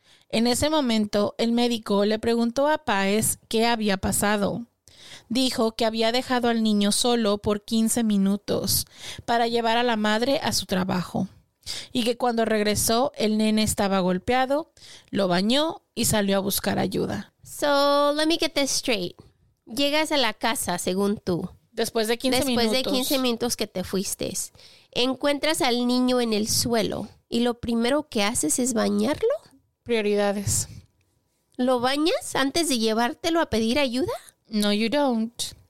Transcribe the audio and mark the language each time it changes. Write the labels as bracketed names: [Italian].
[Spanish] En ese momento, el médico le preguntó a Páez qué había pasado. Dijo que había dejado al niño solo por 15 minutos para llevar a la madre a su trabajo y que cuando regresó el nene estaba golpeado, lo bañó y salió a buscar ayuda. [English] So, let me get this straight. [Spanish] Llegas a la casa, según tú. Después de 15 minutos que te fuiste, encuentras al niño en el suelo y lo primero que haces es bañarlo. Prioridades. ¿Lo bañas antes de llevártelo a pedir ayuda? [English] No, you don't.